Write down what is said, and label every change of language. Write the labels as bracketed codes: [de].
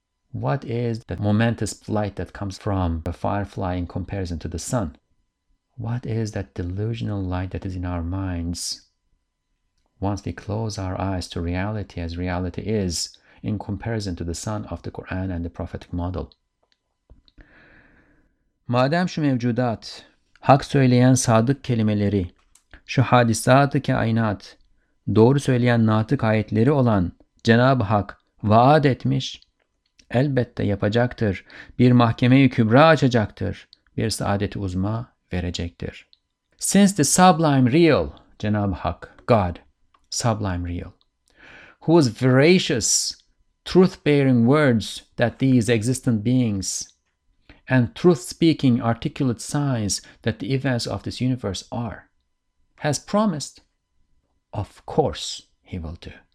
[en] What is the momentous light that comes from a firefly in comparison to the sun? What is that delusional light that is in our minds? Once we close our eyes to reality as reality is, in comparison to the sun of the Quran and the prophetic model. [tr] Madem şu mevcudat, hak söyleyen sadık kelimeleri, şu hadisat-ı kainat, doğru söyleyen natık ayetleri olan Cenab-ı Hak vaat etmiş, elbette yapacaktır, bir mahkeme-i kübra açacaktır, bir saadet-i uzma verecektir. [en] Since the sublime real, Cenab-ı Hak, God, sublime real, whose veracious, truth-bearing words that these existent beings and truth-speaking articulate signs that the events of this universe are, has promised, of course he will do.